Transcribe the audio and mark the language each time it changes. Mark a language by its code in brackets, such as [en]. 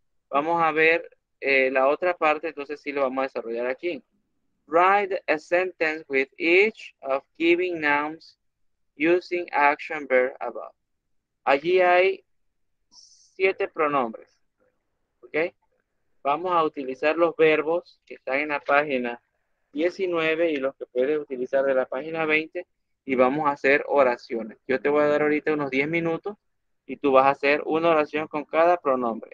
[es] Vamos a ver la otra parte, entonces sí lo vamos a desarrollar aquí. [en] Write a sentence with each of given nouns using action verb above. [es] Allí hay 7 pronombres. ¿Ok? Vamos a utilizar los verbos que están en la página 19 y los que puedes utilizar de la página 20 y vamos a hacer oraciones. Yo te voy a dar ahorita unos 10 minutos y tú vas a hacer una oración con cada pronombre.